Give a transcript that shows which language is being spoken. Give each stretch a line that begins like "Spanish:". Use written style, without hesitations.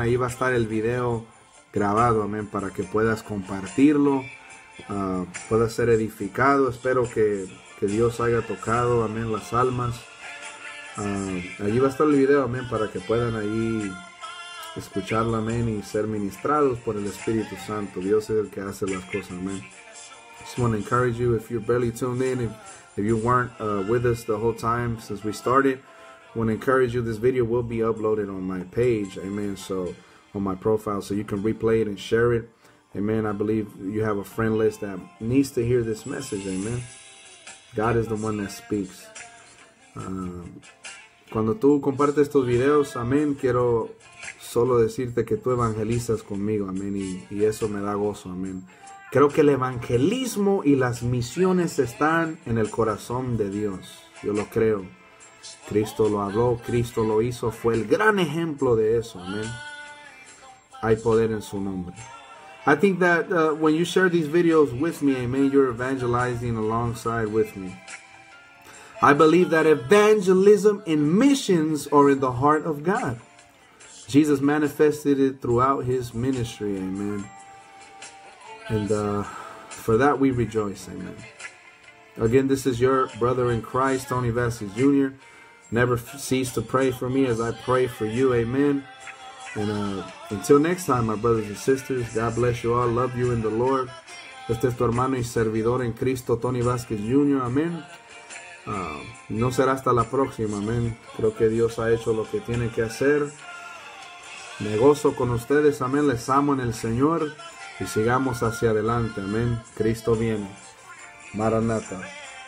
Spanish: Ahí va a estar el video grabado, amén, para que puedas compartirlo, puedas ser edificado. Espero que Dios haya tocado, amén, las almas. Allí va a estar el video, amén, para que puedan ahí escucharlo, amén, y ser ministrados por el Espíritu Santo. Dios es el que hace las cosas, amén.
English: Just want to encourage you, if you're barely tuned in, if you weren't with us the whole time since we started, want to encourage you, this video will be uploaded on my page, amen, so on my profile, so you can replay it and share it. Amen. I believe you have a friend list that needs to hear this message. Amen. God is the one that speaks.
Spanish: Cuando tú compartes estos videos, amén, quiero solo decirte que tú evangelizas conmigo. Amén. Y eso me da gozo. Amén. Creo que el evangelismo y las misiones están en el corazón de Dios. Yo lo creo. Cristo lo habló, Cristo lo hizo, fue el gran ejemplo de eso. Amen. Hay poder en su nombre.
English: I think that when you share these videos with me, amen, you're evangelizing alongside with me. I believe that evangelism and missions are in the heart of God. Jesus manifested it throughout his ministry, amen. And for that we rejoice, amen. Again, this is your brother in Christ, Tony Vasquez Jr. Never cease to pray for me as I pray for you, amen. And until next time, my brothers and sisters, God bless you all. Love you in the Lord.
Spanish: Este es tu hermano y servidor en Cristo, Tony Vasquez Jr., amen. No será hasta la próxima, amén. Creo que Dios ha hecho lo que tiene que hacer. Me gozo con ustedes, amén. Les amo en el Señor. Y sigamos hacia adelante, amén. Cristo viene. Maranatha.